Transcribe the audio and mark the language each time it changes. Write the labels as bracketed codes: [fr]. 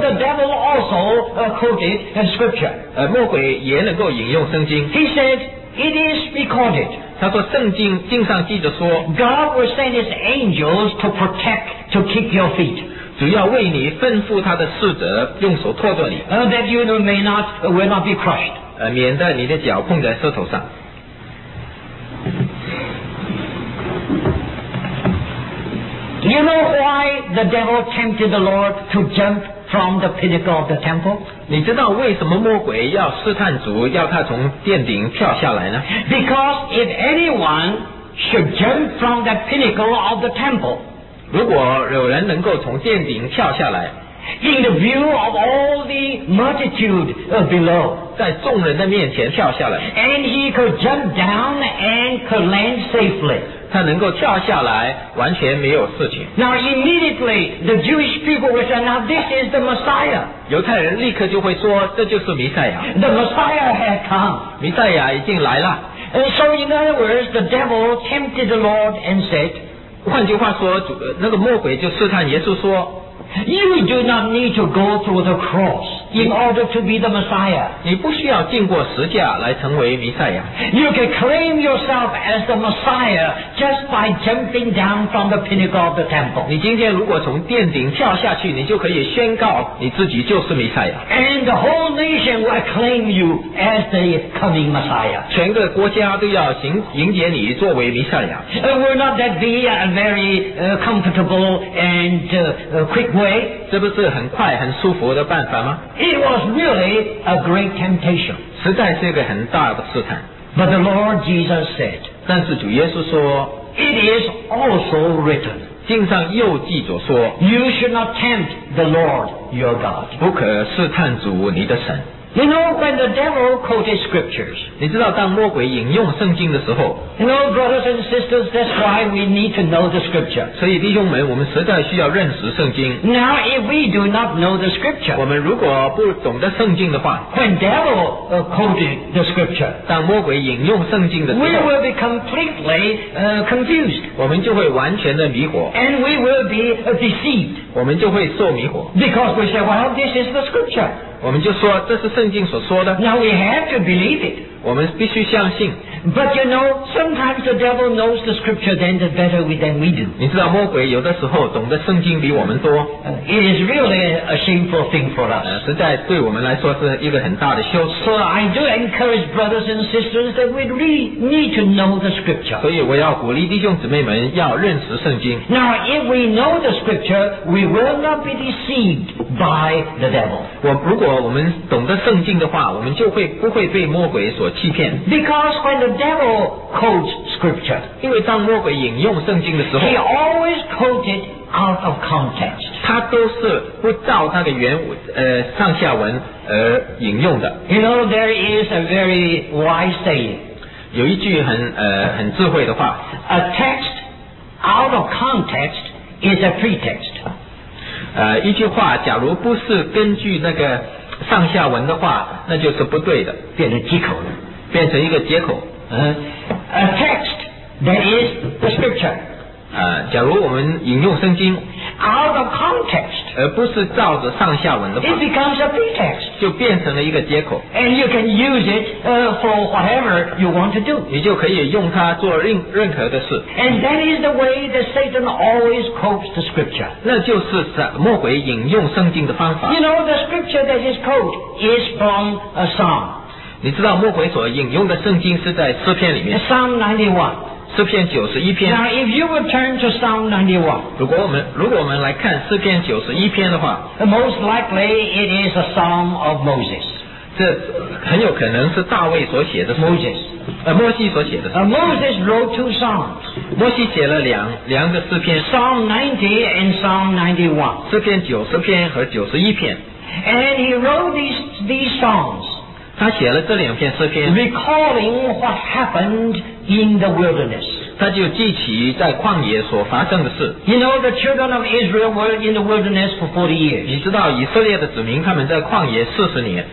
[en] So the devil also quoted scripture. [zh] 魔鬼也能够引用圣经。 [en] He said, it is recorded. [zh] 他说圣经经上记着说， [en] God will send his angels to protect, to keep your feet. [zh] 主要为你吩咐他的使者用手托着你， [en] that you may not, will not be crushed. [zh] 免得你的脚碰在石头上。 [en] You know why the devil tempted the Lord to jump from the pinnacle of the temple? [zh] 你知道为什么魔鬼要试探主，要他从殿顶跳下来呢？ [en] Because if anyone should jump from the pinnacle of the temple, [zh] 如果有人能够从殿顶跳下来， [en] in the view of all the multitude below. [zh] 在众人的面前跳下来。 [en] And he could jump down and could land safely. [zh] 他能够跳下来，完全没有事情。 [en] Now immediately the Jewish people would say, "Now this is the Messiah." [zh] 犹太人立刻就会说，这就是弥赛亚。 [en] The Messiah has come. [zh] 弥赛亚已经来了。 [en] And so in other words, the devil tempted the Lord and said, [zh] 换句话说，那个魔鬼就试探耶稣说， [en] You do not need to go through the cross in order to be the Messiah. [zh] 你不需要经过十架来成为弥赛亚。 [en] You can claim yourself as the Messiah just by jumping down from the pinnacle of the temple. [zh] 你今天如果从殿顶跳下去，你就可以宣告你自己就是弥赛亚。 [en] And the whole nation will acclaim you as the coming Messiah. [zh] 全个国家都要迎接你作为弥赛亚。 [en] Will not that be a very comfortable and quick way? [zh] 这不是很快很舒服的办法吗？ [en] It was really a great temptation. [zh] 实在是一个很大的试探。 [en] But the Lord Jesus said, [zh] 但是主耶稣说， [en] It is also written, [zh] 经上又记着说， [en] You should not tempt the Lord your God. [zh] 不可试探主你的神。 [en] You know, when the devil quoted scriptures, [zh] 你知道当魔鬼引用圣经的时候， [en] You know, brothers and sisters, that's why we need to know the scripture. [zh] 所以弟兄们，我们实在需要认识圣经。 [en] Now, if we do not know the scripture, [zh] 我们如果不懂得圣经的话， [en] When devil quoted the scripture, [zh] 当魔鬼引用圣经的时候， [en] We will be completely confused. [zh] 我们就会完全的迷惑。 [en] And we will be deceived. [zh] 我们就会受迷惑。 [en] Because we say, well, this is the scripture. [zh] 我们就说这是圣经所说的。 [en] Now we have to believe it. [zh] 我们必须相信。 [en] But you know, sometimes the devil knows the scripture then the better than we do. [zh] 你知道魔鬼有的时候懂得圣经比我们多。 [en] It is really a shameful thing for us. [zh] 实在对我们来说是一个很大的羞耻。 [en] So I do encourage brothers and sisters that we really need to know the scripture. [zh] 所以我要鼓励弟兄姊妹们要认识圣经。 [en] Now if we know the scripture, we will not be deceived by the devil. [zh] 如果我们懂得圣经的话，我们就会不会被魔鬼所欺骗。 [en] Because when the devil quotes scripture, [zh] 因为当魔鬼引用圣经的时候， [en] he always quoted out of context. [zh] 他都是不照他的原上下文而引用的。 [en] You know, there is a very wise saying. [zh] 有一句很智慧的话。 [en] A text out of context is a pretext. [zh] 一句话假如不是根据那个上下文的话，那就是不对的，变成借口了。变成一个借口。 [en] A text that is the scripture. [zh] 假如我们引用圣经， [en] out of context, [zh] 而不是照着上下文的话， [en] it becomes a pretext. [zh] 就变成了一个借口。 [en] And you can use it for whatever you want to do. [zh] 你就可以用它做任何的事。 [en] And that is the way that Satan always quotes the scripture. [zh] 那就是魔鬼引用圣经的方法。 [en] You know, the scripture that is quoted is from a psalm. [zh] 你知道魔鬼所引用的圣经是在诗篇里面。 [en] Psalm 91。 [zh] 诗篇九十一篇。 [en] Now if you would turn to Psalm 91。 [zh] 如果我们来看诗篇九十一篇的话。 [en] Most likely it is a psalm of Moses。 [zh] 这很有可能是大卫所写的。 [en] Moses。 [zh] 摩西所写的。 [en] Moses wrote two psalms。 [zh] 摩西写了两个诗篇。 [en] Psalm 90 and Psalm 91。 [zh] 诗篇九十篇和九十一篇。 [en] And he wrote these psalms. [zh] 他写了这两篇诗篇， [en] recalling what happened in the wilderness. [zh] 他就记起在旷野所发生的事。 [en] You know, the children of Israel were in the wilderness for 40 years. [zh] 你知道以色列的子民他们在旷野四十年。